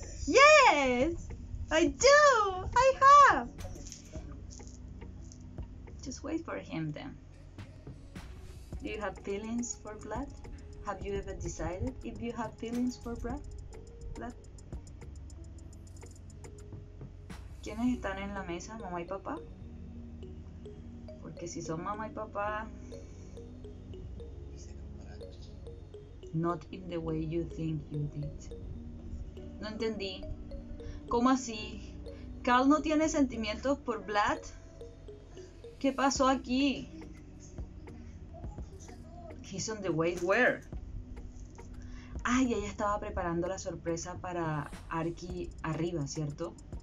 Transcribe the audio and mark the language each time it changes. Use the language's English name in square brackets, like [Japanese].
[English] Yes! I do! I have! Just wait for him then. Do you have feelings for Vlad? Have you ever decided if you have feelings for Vlad? [Spanish] ¿Quiénes están en la mesa, mamá y papá? Porque si son mamá y papá... [English] Not in the way you think you did. [Spanish] No entendí. ¿Cómo así? ¿Cal no tiene sentimientos por Vlad? ¿Qué pasó aquí? [English] He's on the way where? [Spanish] Ay, ella estaba preparando la sorpresa para Arki arriba, ¿cierto?